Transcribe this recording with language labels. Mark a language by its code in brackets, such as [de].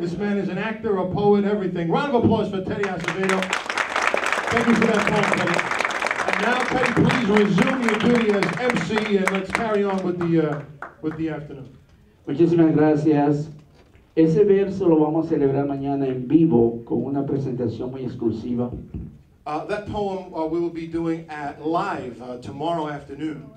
[en] This man is an actor, a poet, everything. Round of applause for Teddy Acevedo. Thank you for that poem, Teddy. And now, Teddy, please resume your duty as MC, and let's carry on with the afternoon. [es] Muchísimas gracias. Ese verso lo vamos a celebrar mañana en vivo con una presentación muy exclusiva. [en] That poem we will be doing at live tomorrow afternoon.